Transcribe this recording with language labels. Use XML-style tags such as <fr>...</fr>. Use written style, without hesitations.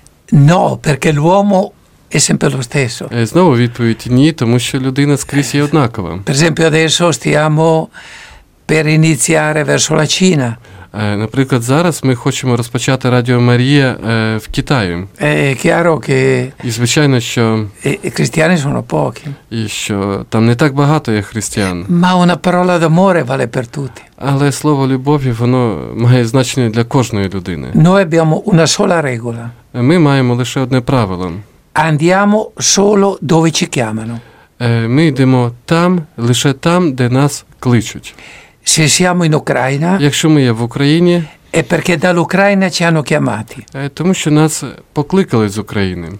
<it>No, perché l'uomo è sempre lo stesso.</it> <uk>E знову відповідь ні, тому що людина скрізь є однакова.</uk> <it>Per esempio adesso stiamo per iniziare verso la Cina.</it> <uk>Наприклад, зараз ми хочемо розпочати Радіо Марія в Китаї.</uk> <it>È chiaro che</it> <uk>і звичайно, що</uk> <it>i cristiani sono pochi.</it> <uk>І що там не так багато є християн.</uk> <it>Ma una parola d'amore vale per tutti.</it> <uk>Але слово любові, воно має значення для кожної людини.</uk> <it>Noi abbiamo una sola regola.</it> <uk>Ми маємо лише одне правило.</uk> <it>Andiamo solo dove ci chiamano.</it> <uk>Ми йдемо там, лише там, де нас кличуть.</uk> <it>Se siamo in Ucraina,</it> <uk>якщо ми є в Україні,</uk> <it>è perché dall'Ucraina ci hanno chiamati.</it> <uk>Тому що нас покликали з України.</uk>